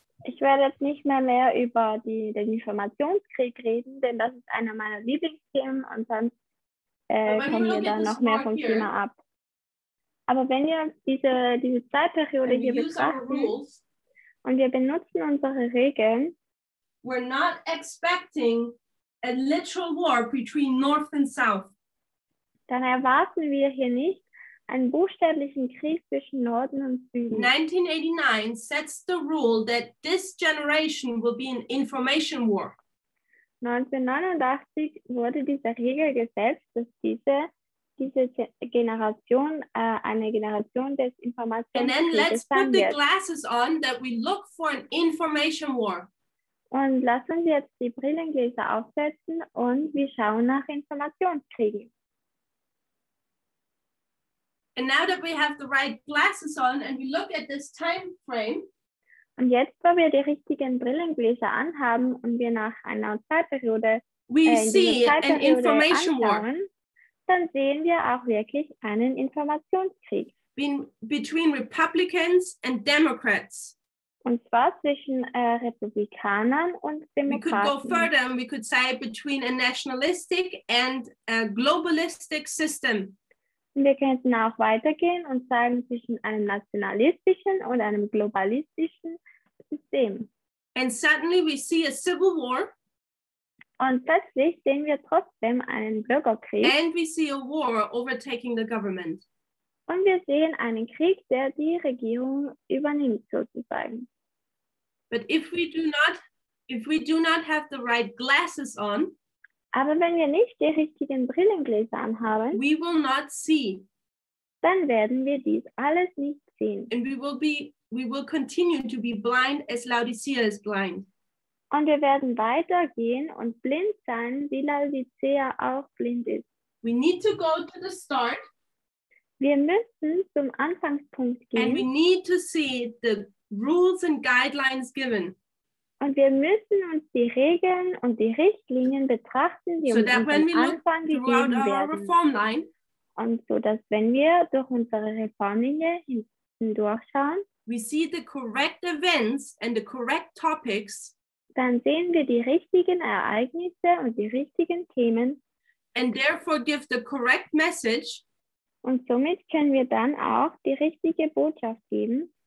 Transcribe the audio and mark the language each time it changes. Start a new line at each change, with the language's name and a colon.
German: Ich werde jetzt nicht mehr über den Informationskrieg reden, denn das ist einer meiner Lieblingsthemen und sonst kommen wir dann noch mehr vom Thema ab. Aber wenn wir diese Zeitperiode hier betrachten und wir benutzen unsere Regeln,
English: we're not expecting a literal war between North and South.
German: Dann erwarten wir hier nicht einen buchstäblichen Krieg zwischen Norden und Süden.
English: 1989 sets the rule that this generation will be an information war.
German: 1989 wurde diese Regel gesetzt, dass diese Generation eine Generation des Informationskrieges sein wird.
English: And then let's put the glasses on that we look for an information war.
German: Und lass uns jetzt die Brillengläser aufsetzen und wir schauen nach Informationskriegen.
English: And now that we have the right glasses on and we look at this time frame.
German: Und jetzt, wo wir die richtigen Brillengläser anhaben und wir nach einer Zeitperiode
English: an information war.
German: Dann sehen wir auch wirklich einen Informationskrieg.
English: Between Republicans and Democrats.
German: Und zwar zwischen Republikanern und Demokraten.
English: We could go further and we could say between a nationalistic and a globalistic system.
German: Wir könnten auch weitergehen und sagen zwischen einem nationalistischen und einem globalistischen System.
English: And suddenly we see a civil war.
German: Und plötzlich sehen wir trotzdem einen Bürgerkrieg.
English: And we see a war overtaking the government.
German: Und wir sehen einen Krieg, der die Regierung übernimmt, sozusagen.
English: But if we do not have the right glasses on,
German: aber wenn wir nicht die richtigen Brillengläser anhaben,
English: we will not see.
German: Dann werden wir dies alles nicht sehen.
English: And we will continue to be blind as Laodicea is blind.
German: Und wir werden weitergehen und blind sein, wie Laodicea auch blind ist.
English: We need to go to the start.
German: Wir müssen zum Anfangspunkt gehen.
English: And we need to see the rules and guidelines given.
German: Und wir müssen uns die Regeln und die Richtlinien betrachten, die uns am Anfang gegeben werden. Und so, dass wenn wir durch unsere Reformlinie hindurchschauen,
English: we see the correct events and the correct topics,
German: dann sehen wir die richtigen Ereignisse und die richtigen Themen
English: and therefore give the correct message,
German: und somit können wir dann auch die richtige Botschaft geben.